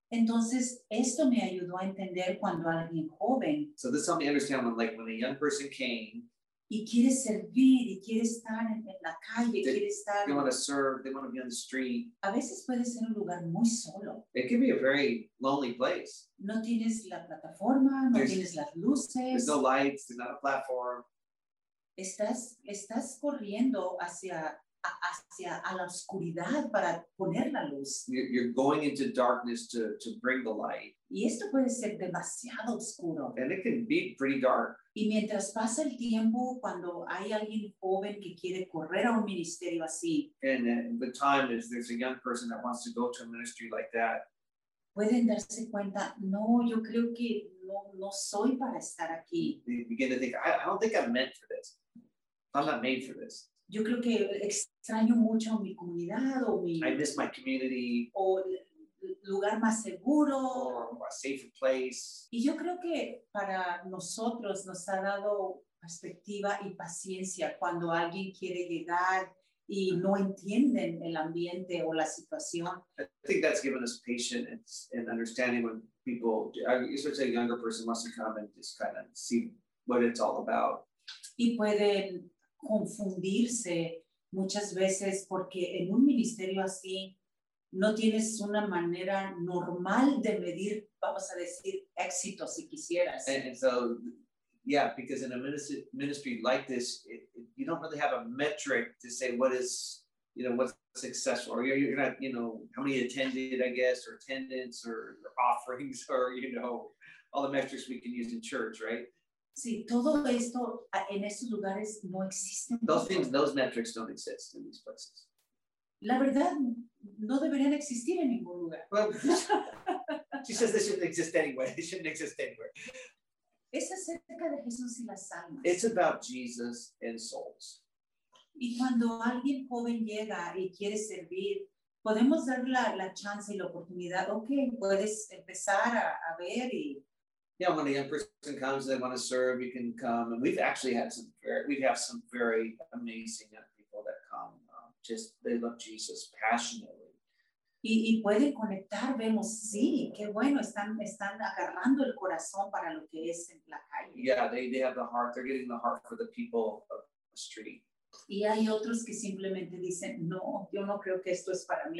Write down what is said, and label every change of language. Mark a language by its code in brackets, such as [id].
[es] Entonces, esto me ayudó a entender cuando alguien joven. [en] So this helped me understand when, like, when a young person came. [es] Y quiere servir, y quiere estar en la calle, quiere estar... [en] They want to serve, they want to be on the street. [es] A veces puede ser un lugar muy solo. [en] It can be a very lonely place. [es] No tienes la plataforma, no tienes las luces. [en] There's no lights, there's not a platform. [es] Estás corriendo hacia a la oscuridad para poner la luz. [en] You're going into darkness to bring the light. [es] Y esto puede ser demasiado oscuro. [en] And it can be pretty dark. [es] Y mientras pasa el tiempo, cuando hay alguien joven que quiere correr a un ministerio así, [en] and the time is there's a young person that wants to go to a ministry like that, [es] pueden darse cuenta, no, yo creo que no soy para estar aquí. [en] They begin to think, I don't think I'm meant for this. I'm not made for this. [es] Yo creo que extraño mucho mi comunidad o mi... [en] I miss my community. [es] O lugar más seguro. [en] Or a safer place. [es] Y yo creo que para nosotros nos ha dado perspectiva y paciencia cuando alguien quiere llegar y no entienden el ambiente o la situación. [en] I think that's given us patience and understanding when people, especially a younger person, wants to come and just kind of see what it's all about. [es] Y pueden confundirse muchas veces porque en un ministerio así no tienes una manera normal de medir, vamos a decir, éxito si quisieras. [en] And so, yeah, because in a ministry like this, you don't really have a metric to say what is, you know, what's successful. Or you're not, you know, how many attended, I guess, or attendance, or offerings, or, you know, all the metrics we can use in church, right? [es] Sí, todo esto en estos lugares no existen. [en] Those things, those metrics don't exist in these places. [es] La verdad, no deberían existir en ningún lugar. [en] Well, she says they shouldn't exist anyway. They shouldn't exist anywhere. [es] Es acerca de Jesús y las almas. [en] It's about Jesus and souls. [es] Y cuando alguien joven llega y quiere servir, podemos dar la chance y la oportunidad. Okay, puedes empezar a ver y... [en] Yeah, when a young person comes and they want to serve, you can come. And we've actually had some very amazing young people that come. Just, they love Jesus passionately. [es] Y pueden conectar, vemos, sí, qué bueno, están agarrando el corazón para lo que es en la calle. [en] Yeah, they have the heart, they're getting the heart for the people of the street. [es] Y hay otros que simplemente dicen, no, yo no creo que esto es para mí.